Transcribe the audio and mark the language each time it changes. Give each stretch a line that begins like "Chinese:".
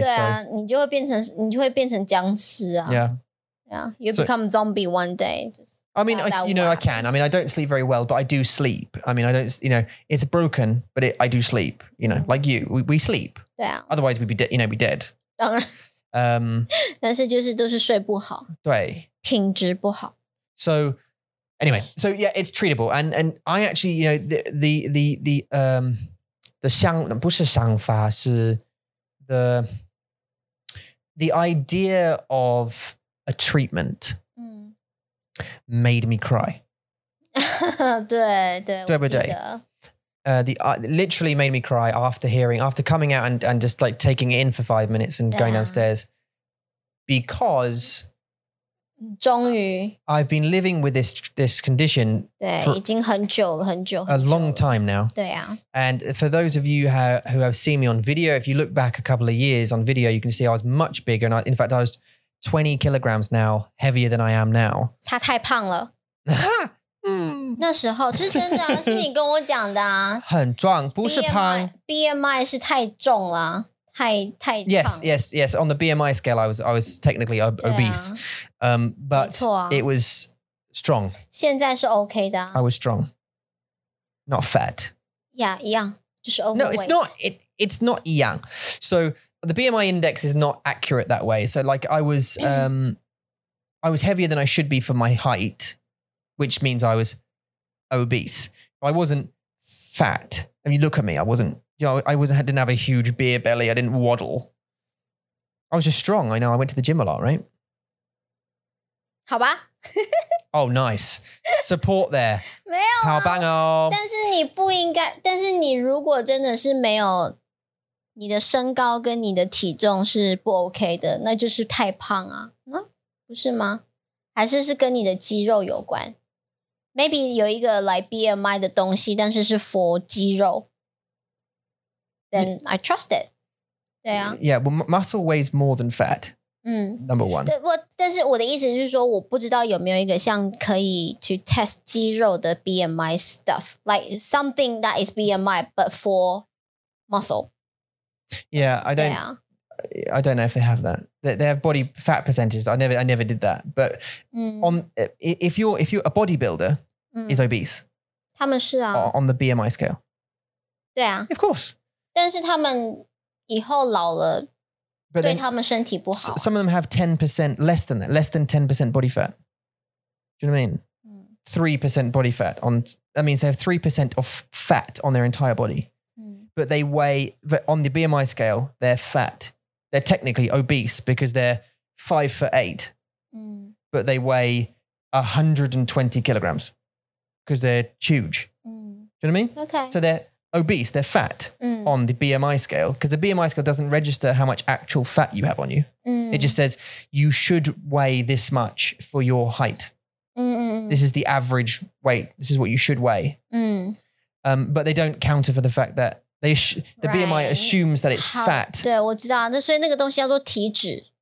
Chinese: 对啊，你就会变成僵尸啊！
English: Yeah, you become zombie one day. I mean, I can. I mean, I don't sleep very well, but I do sleep. I mean, I don't, you know, it's broken, but I do sleep. You know, like you, we sleep. Yeah. Otherwise, we'd be dead. You know, be dead.
Chinese: 当然。但是就是都是睡不好，对，品质不好。
English: So anyway, so yeah, it's treatable, and I actually, you know, the idea of a treatment made me cry.
Chinese: 对对，对不对？
English: Literally made me cry after coming out and just like taking it in for 5 minutes and going downstairs. Because
Chinese: 终于,
English: I've been living with this condition
Chinese: 对, for
English: a long time now. And for those of you who have seen me on video, if you look back a couple of years on video, you can see I was much bigger. And in fact, I was 20 kilograms now, heavier than I am now.
Chinese: 他太胖了。那时候是真的啊，是你跟我讲的啊。很壮，不是胖。 BMI 是太重了。
English: Yes. On the BMI scale, I was technically obese, but it was strong.
Chinese: 现在是 okay 的.
English: I was strong, not fat. Yeah,
Chinese: 一样，就是 overweight.
English: No, it's not. It's not
Chinese: 一样.
English: So the BMI index is not accurate that way. So like I was, I was heavier than I should be for my height, which means I was obese. I wasn't fat. I mean, look at me. I wasn't. Yeah, you know, I didn't have a huge beer belly. I didn't waddle. I was just strong. I know. I went to the gym a lot, right?
Chinese: 好吧.
English: Oh, nice support there.
Chinese: 没有啊，好棒哦。但是你不应该，但是你如果真的是没有，你的身高跟你的体重是不 OK 的，那就是太胖啊，不是吗？还是是跟你的肌肉有关。 maybe 有一个 like BMI 的东西，但是是 for 肌肉。
English: Then I trust it.
Chinese: 对啊。
English: Yeah, well, muscle weighs more than fat. 嗯。 Number one.
Chinese: 对，我但是我的意思是说，我不知道有没有一个像可以
English: to test
Chinese: 肌肉的 BMI stuff,
English: like something that is BMI but for muscle. Yeah, I don't. I don't know if they have that. They have body fat percentages. I never did that. But on if you're a bodybuilder is obese.
Chinese: 他们是啊。
English: On the BMI scale.
Chinese: 对啊。
English: Of course.
Chinese: 但是他们以后老了对他们身体不好。
English: Some of them have 10%, less than that, less than 10% body fat. Do you know what I mean? 3% body fat. That means they have 3% of fat on their entire body. But they weigh, but on the BMI scale, they're fat. They're technically obese because they're 5'8", but they weigh 120 kilograms because they're huge. Do you know what I mean? Okay. So they're obese, they're fat on the BMI scale because the BMI scale doesn't register how much actual fat you have on you. It just says you should weigh this much for your height. This is the average weight. This is what you should weigh. But they don't count for the fact that the BMI right. assumes that it's fat.
Chinese: 对，我知道。那所以那个东西叫做体脂。